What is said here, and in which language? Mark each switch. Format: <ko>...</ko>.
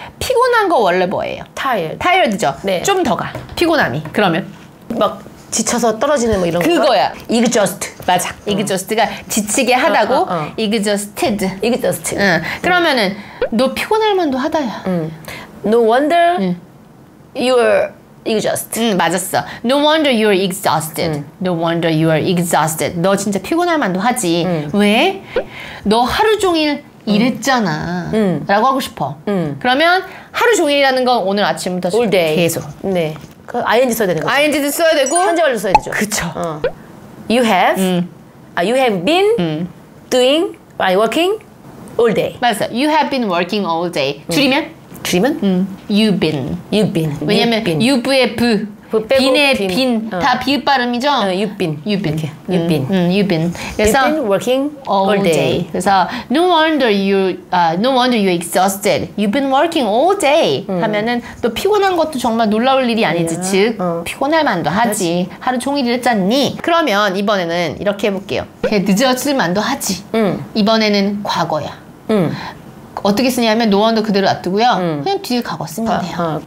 <ko>피곤한 거 원래 뭐예요?</ko> <en>Tired. Tired죠.</en> <ko>네. 좀 더 가. 피곤함이. 그러면? 막 지쳐서 떨어지는 뭐 이런 거? 그거야.</ko> <en>건가? Exhaust.</en> <ko>맞아. Exhaust가 지치게 하다고.</ko> <en>Exhausted. Exhausted.</en> <ko>그러면은 너 피곤할 만도 하다야.</ko> <en>No wonder you're exhausted.</en> <ko>맞았어.</ko> <en>No wonder you're exhausted. No wonder you're exhausted.</en> <ko>너 진짜 피곤할 만도 하지. 왜? 너 하루 종일 일했잖아. 라고 하고 싶어. 그러면 하루 종일이라는 건 오늘 아침부터</ko> <en>All day.</en> <ko>계속. 네. 그 ing 써야 되는 거죠. ing도 써야 되고 현재 완료 써야 되죠. 그쵸.</ko> <en>You have. You have been doing by working all day.</en> <ko>맞았어.</ko> <en>You have been working all day. 줄이면? Dreamen? You've been. You've been.</en> <ko>왜냐면</ko> <en>you've been.</en> <ko>You've의 부. 빈의 빈 다 비읍 발음이죠?</ko> <en>You've been. You've been. You've been. You've been. You've been working all day. 그래서 no wonder you no wonder you exhausted. You've been working all day.</en> <ko>하면은 또 피곤한 것도 정말 놀라울 일이 아니지. 즉 피곤할 만도 하지. 하루 종일 일했잖니. 그러면 이번에는 이렇게 해볼게요. 늦어질 만도 하지. 이번에는 과거야. 어떻게 쓰냐면 no wonder 그대로 놔두고요. 그냥 뒤에 가고 쓰면 돼요.</ko>